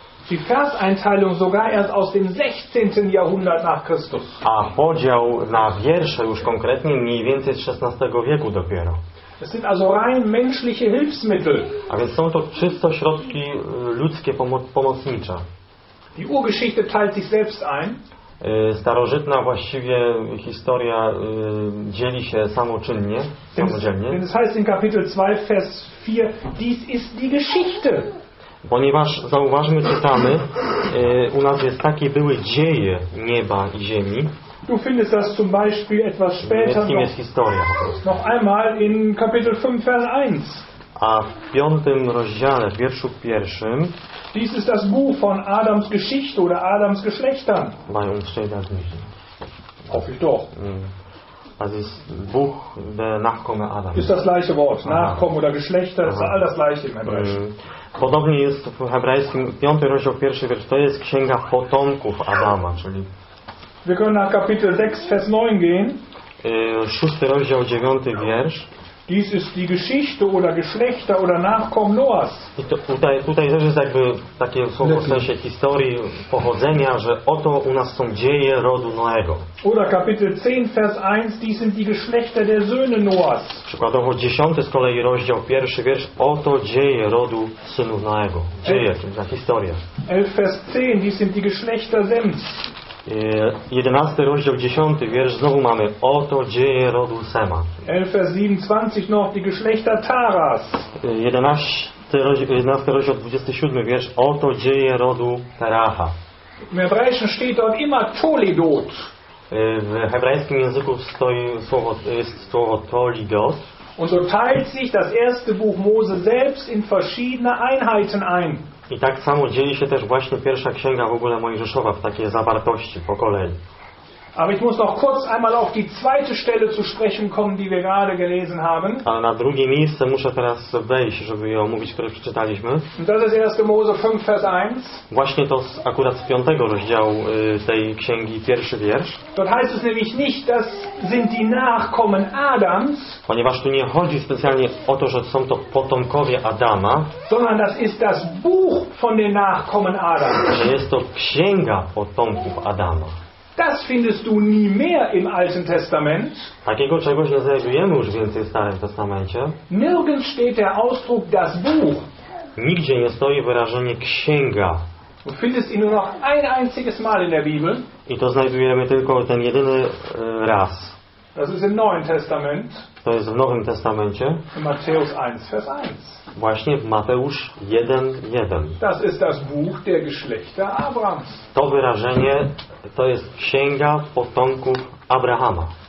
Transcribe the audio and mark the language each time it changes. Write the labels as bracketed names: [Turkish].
[German] Die Verseinteilung sogar erst aus dem 16. Jahrhundert nach Christus. [Polish] A podział na wiersze już konkretnie mniej więcej z XVI wieku dopiero. [German] Es sind also rein menschliche Hilfsmittel. [Polish] A więc są to czysto środki ludzkie pomocnicze. [German] Die Urgeschichte teilt sich selbst ein. [Polish] Starożytna właściwie historia dzieli się samoczynnie, samodzielnie. [German] Denn es heißt in Kapitel 2, Vers 4, dies ist die Geschichte. [Polish] Ponieważ zauważmy, czytamy, u nas jest takie były dzieje nieba i ziemi. [German] Du findest das zum Beispiel etwas später noch einmal in Kapitel 5, Vers 1. [Polish] A w piątym rozdziale, w wierszu pierwszym. [German] Dies ist das Buch von Adams Geschichte oder Adams Geschlechtern. Bei uns steht das nicht. Hoffe ich doch. Das ist Buch der Nachkomme Adams. Ist das gleiche Wort. Nachkommen oder Geschlechter, das ist all das gleiche im Hebräischen. [Polish] Podobnie jest w hebrajskim, piąty rozdział, pierwszy wiersz, to jest księga potomków Adama, czyli... [German] Wir können nach Kapitel 6, Vers 9 gehen. [Polish] Szósty rozdział, dziewiąty wiersz. [German] Dies ist die Geschichte oder Geschlechter oder Nachkommen Noahs. [Polish] I to, tutaj też jest jakby takie słowo w sensie historii, pochodzenia, że oto u nas są dzieje rodu Noego. [German] Oder Kapitel 10, Vers 1, dies sind die Geschlechter der Söhne Noahs. [Polish] Przykładowo dziesiąty z kolei rozdział, pierwszy wiersz, oto dzieje rodu synów Noego. Dzieje, ta historia. [German] 11, Vers 10, dies sind die Geschlechter Sems. [Polish] 11 rozdział, 10 wiersz, znowu mamy oto dzieje rodu Sema. [German] 11:27 noch die Geschlechter Taras. [Polish] 11 rozdział, 27 wiersz, oto dzieje rodu Teracha. W hebrajskim [German] steht dort immer Toledot. [Polish] W hebrajskim języku stoi słowo, jest słowo Toledot. [German] Und so teilt sich das erste Buch Mose selbst in verschiedene Einheiten ein. [Polish] I tak samo dzieli się też właśnie pierwsza księga w ogóle Mojżeszowa w takie zawartości po kolei. [German] Aber ich muss noch kurz einmal auf die zweite Stelle zu sprechen kommen, die wir gerade gelesen haben. [Polish] Ale na drugie miejsce muszę teraz wejść, żeby je omówić, które przeczytaliśmy. [German] Und das ist 1. Mose 5, Vers 1. [Polish] Właśnie to z, akurat z 5. rozdziału tej księgi, pierwszy wiersz. [German] Dort heißt es nämlich nicht, das sind die Nachkommen Adams. [Polish] Ponieważ tu nie chodzi specjalnie o to, że są to potomkowie Adama. [German] Sondern das ist das Buch von den Nachkommen Adams. [Polish] Że jest to księga potomków Adama. [German] Das findest du nie mehr im Alten Testament. [Polish] Takiego czegoś nie znajdujemy już więcej w Starym Testamencie. [German] Nirgends steht der Ausdruck das Buch. [Polish] Nigdzie nie stoi wyrażenie księga. [German] Du findest ihn nur noch ein einziges Mal in der Bibel. [Polish] I to znajdujemy tylko ten jedyny raz. [German] Das ist im Neuen Testament. [Polish] To jest w Nowym Testamencie. [German] In Matthäus 1, Vers 1. [Polish] Właśnie w Mateusz 1:1. [German] Das ist das Buch der Geschlechter Abrahams. [Polish] To wyrażenie to jest księga potomków Abrahama.